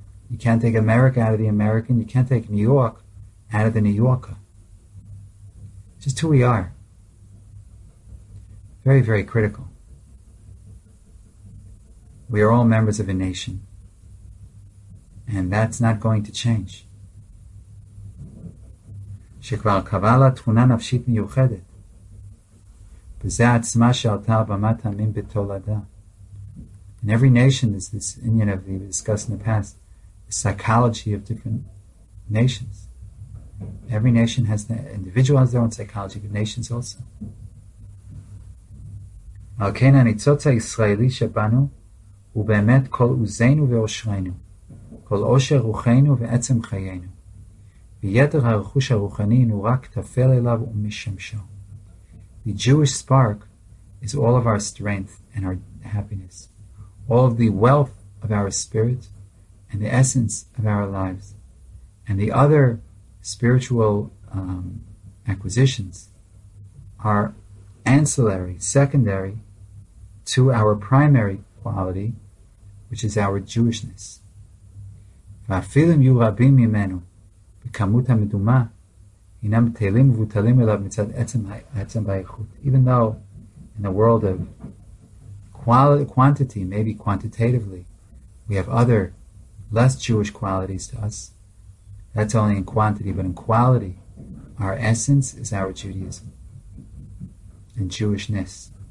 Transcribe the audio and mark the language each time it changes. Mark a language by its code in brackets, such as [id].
[en] You can't take America out of the American. You can't take New York out of the New Yorker. Just who we are. Very, very critical. We are all members of a nation. And that's not going to change. [he] שכבר קבעה לה תכונה נפשית מיוחדת. וזה עצמה שעלתה במת עמים בתולדה. [en] In every nation is this union of, we discussed in the past, the psychology of different nations. Every nation has, the individual has their own psychology, but nations also. [he] על כן הניצוץ הישראלי שבנו הוא באמת כל עוזנו ואושרנו, כל עושר רוחנו ועצם חיינו. ויתר הרכוש הרוחני הוא רק תפל אליו ומשמשו. [en] The Jewish spark is all of our strength and our happiness, all of the wealth of our spirit and the essence of our lives, and the other spiritual acquisitions are ancillary, secondary to our primary quality, which is our Jewishness. [he] ואפילו אם יהיו רבים ממנו בכמות המדומה, הנם תהלים ובוטלים אליו מצד עצם באיכות. [en] Even though in the world of quantity, maybe quantitatively, we have other less Jewish qualities to us, that's only in quantity, but in quality, our essence is our Judaism and Jewishness.